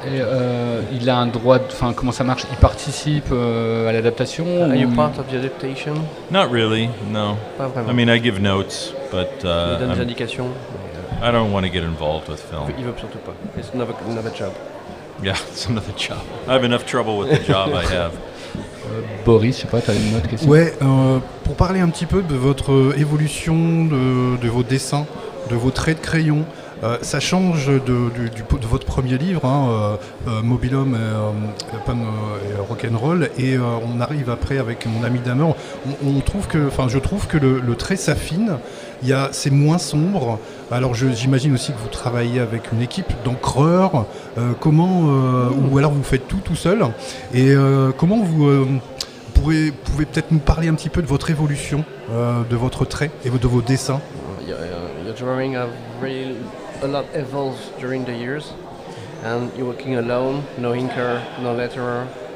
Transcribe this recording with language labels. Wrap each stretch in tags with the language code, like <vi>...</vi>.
<fr>Et il a un droit de... Enfin, comment ça marche? Il participe à l'adaptation?</fr> <en>Are you part of the adaptation? Not really, no.</en> <fr>Pas vraiment.</fr> <en>I mean, I give notes, but...</en> <fr>Il donne des indications.</fr> <en>I don't want to get involved with film.</en> <fr>Il veut surtout pas.</fr> <en>It's another job. Yeah, it's another job. I have enough trouble with the job I have.</en> <fr>Boris, je sais pas, tu as une autre question? Ouais, pour parler un petit peu de votre évolution, de vos dessins, de vos traits de crayon, ça change de votre premier livre, hein, Mobile Home et Rock'n'Roll, et on arrive après avec Mon ami Damer. Je trouve que le trait s'affine, c'est moins sombre. Alors j'imagine aussi que vous travaillez avec une équipe d'encreurs. Ou alors vous faites tout seul. Et comment vous pouvez peut-être nous parler un petit peu de votre évolution, de votre trait et de vos dessins?</fr> <en>Your drawing has really a lot evolved during the years, and you're working alone, no inker, no letterer.</en>